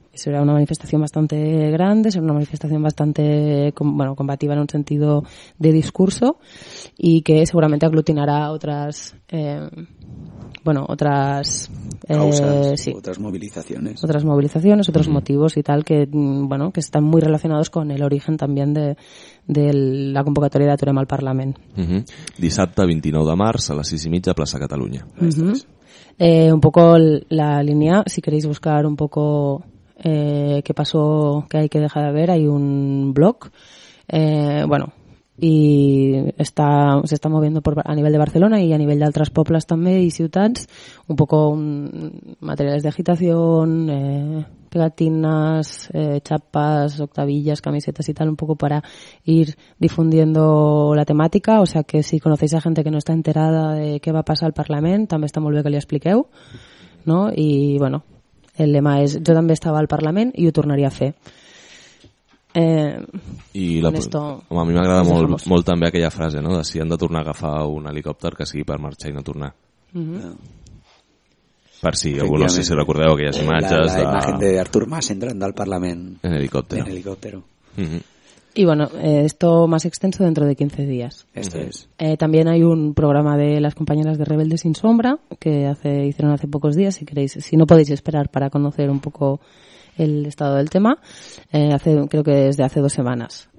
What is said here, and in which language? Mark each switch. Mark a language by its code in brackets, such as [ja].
[es] Será una manifestación bastante grande, será una manifestación bastante, bueno, combativa en un sentido de discurso y que seguramente aglutinará otras, bueno, otras... causas, sí, otras movilizaciones. Otras movilizaciones, otros motivos y tal, que, bueno, que están muy relacionados con el origen también de la convocatoria de Aturem al Parlament. [ca] Dissabte 29 de març a les 6:30, Plaça Catalunya. [es] Un poco la línea, si queréis buscar un poco... qué pasó, qué hay que dejar de ver, hay un blog, bueno, y se está moviendo a nivel de Barcelona y a nivel de otras poblas también y ciudades, un poco materiales de agitación, pegatinas, chapas, octavillas, camisetas y tal, un poco para ir difundiendo la temática, o sea que si conocéis a gente que no está enterada de qué va a pasar al Parlament, también está muy bien que [ca] le expliqueu, [es] ¿no? Y bueno, el lema es: yo también estaba al Parlament y yo [ca] tornaría a fe. I la, esto, home, a mi m'agrada molt també aquella frase, no? De si han de tornar a agafar un helicòpter, que sigui per marxar i no tornar. Per si algú no sé si recordeu aquelles imatges la imatge de Artur Mas entrant al Parlament en helicòpter. En helicòpter. [es] Y bueno, esto más extenso dentro de 15 días. Esto es. También hay un programa de las compañeras de Rebelde sin Sombra, que hicieron hace pocos días, si queréis, si no podéis esperar para conocer un poco el estado del tema, creo que desde hace dos semanas.